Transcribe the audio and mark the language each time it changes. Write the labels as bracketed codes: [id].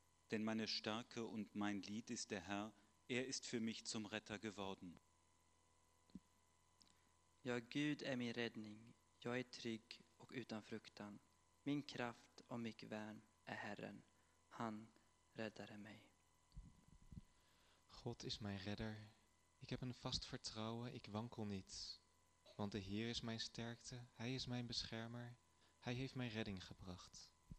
[de] Denn meine Stärke und mein Lied ist der Herr, er ist für mich zum Retter geworden. [sv] Ja, Gud är min räddning, jag är trygg och utan fruktan. Min kraft och mitt värn är Herren, han räddade mig. [nl] God is mijn redder, ik heb een vast vertrouwen, ik wankel niet. Want de Heer is mijn sterkte, hij is mijn beschermer, hij heeft mijn redding gebracht.